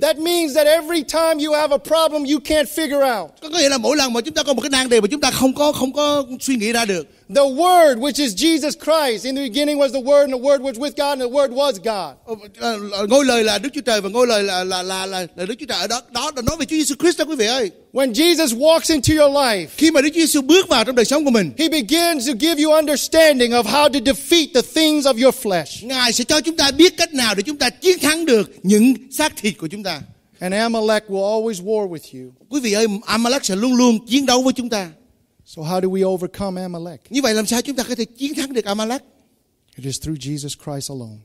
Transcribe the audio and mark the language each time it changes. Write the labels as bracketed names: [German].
[English] That means that every time you have a problem you can't figure out. [Vietnamese] Có nghĩa là mỗi lần mà chúng ta có một cái nan đề mà chúng ta không có suy nghĩ ra được. [English] The word which is Jesus Christ, in the beginning was the word was with God, and the word was God. [Vietnamese] Ngôi lời là Đức Chúa Trời và ngôi lời là Đức Chúa Trời ở đó nói về Chúa Jesus Christ đó quý vị ơi. [English] When Jesus walks into your life, [Vietnamese] khi mà Đức Chúa Jesus bước vào trong đời sống của mình, [English] He begins to give you understanding of how to defeat the things of your flesh. [Vietnamese] Ngài sẽ cho chúng ta biết cách nào để chúng ta chiến thắng được những xác thịt của chúng ta. [English] And Amalek will always war with you. [Vietnamese] Quý vị ơi, Amalek sẽ luôn luôn chiến đấu với chúng ta. [English] So how do we overcome Amalek? [Vietnamese] Như vậy làm sao chúng ta có thể chiến thắng được Amalek? [English] It is through Jesus Christ alone.